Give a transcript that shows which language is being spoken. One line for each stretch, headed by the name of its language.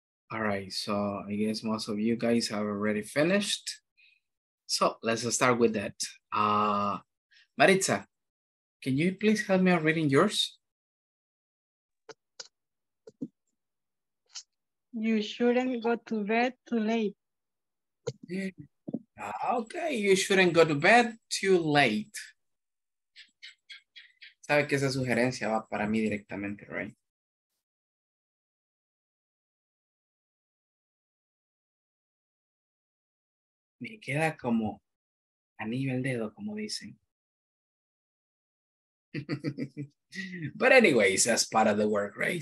English: All right, so I guess most of you guys have already finished. So let's start with that. Maritza, Can you please help me out reading yours? You shouldn't go to bed too late. Okay, you shouldn't go to bed too late.
Spanish: Sabe que esa sugerencia va para mí directamente, right? Me queda como anillo al dedo, como dicen.
English: But anyways, that's part of the work, right?